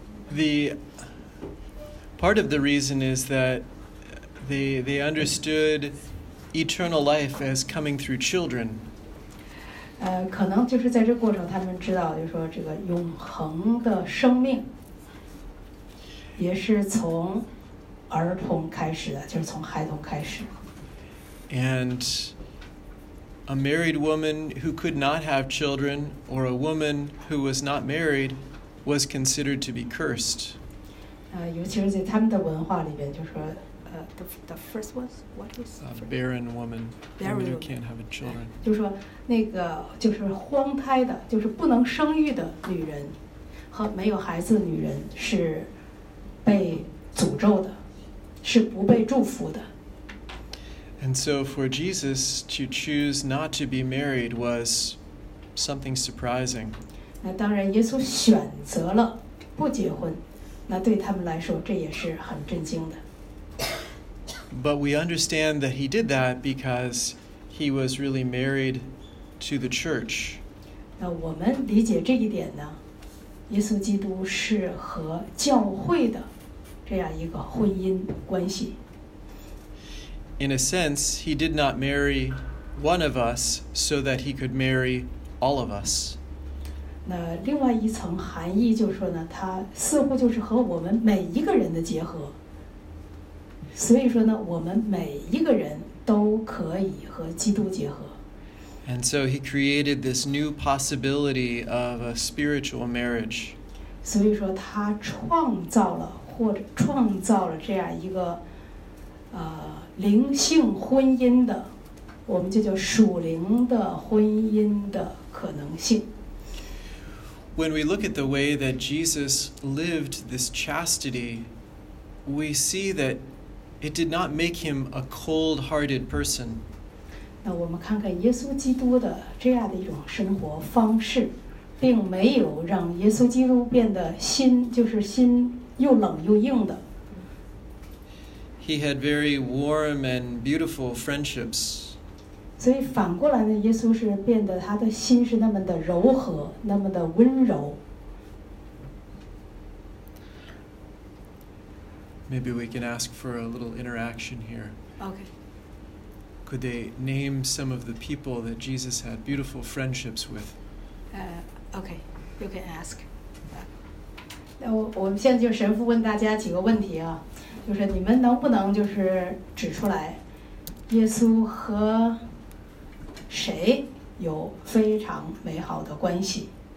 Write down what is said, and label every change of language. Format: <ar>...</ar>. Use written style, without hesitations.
<en>The part of the reason is that they understood eternal life as coming through children.</en> <zh>可能就是在这过程，他们知道，就是说这个永恒的生命。也是从儿童开始的，就是从孩童开始。</zh> <en>And a married woman who could not have children, or a woman who was not married, was considered to be cursed.</en> <zh>尤其是在他们的文化里边，就说</zh> <en>the first one, what is a barren woman, barren woman who can't have a children.</en> <zh>就说那个就是荒胎的，就是不能生育的女人和没有孩子的女人是被诅咒的，是不被祝福的。</zh> <en>And so for Jesus to choose not to be married was something surprising.</en> <zh>那当然耶稣选择了不结婚，那对他们来说这也是很震惊的。</zh> <en>But we understand that he did that because he was really married to the church.</en> <zh>那我们理解这一点呢，耶稣基督是和教会的这样一个婚姻关系。</zh> <en>In a sense, he did not marry one of us so that he could marry all of us.</en> <zh>那另外一层含义就是说呢，他似乎就是和我们每一个人的结合。所以说呢，我们每一个人都可以和基督结合。</zh> <en>And so he created this new possibility of a spiritual marriage.</en> <zh>所以说他创造了或者创造了这样一个灵性婚姻的，我们就叫属灵的婚姻的可能性。</zh> <en>When we look at the way that Jesus lived this chastity, we see that it did not make him a cold-hearted person.</en> <zh>那我们看看耶稣基督的这样的一种生活方式，并没有让耶稣基督变得心，就是心又冷又硬的。</zh> <en>He had very warm and beautiful friendships.</en> <zh>所以反过来呢，耶稣是变得他的心是那么的柔和，那么的温柔。</zh> <en>Maybe we can ask for a little interaction here. Okay. Could they name some of the people that Jesus had beautiful friendships with? Okay, you can ask.</en> <zh>那我们现在就神父问大家几个问题啊。就是你们能不能就是指出来，耶稣和谁有非常美好的关系？</zh>